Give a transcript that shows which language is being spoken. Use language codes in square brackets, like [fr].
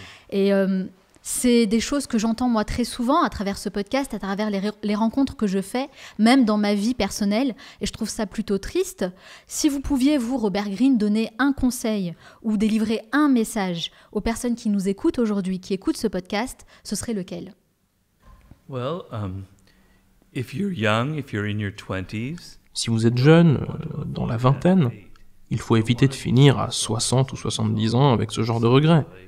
[fr] Et c'est des choses que j'entends moi très souvent à travers ce podcast, à travers les rencontres que je fais, même dans ma vie personnelle. Et je trouve ça plutôt triste. Si vous pouviez, vous, Robert Greene, donner un conseil ou délivrer un message aux personnes qui nous écoutent aujourd'hui, qui écoutent ce podcast, ce serait lequel ? [en] Well, if you're young, if you're in your 20s, [fr] si vous êtes jeune, dans la vingtaine, il faut éviter de finir à 60 ou 70 ans avec ce genre de regrets.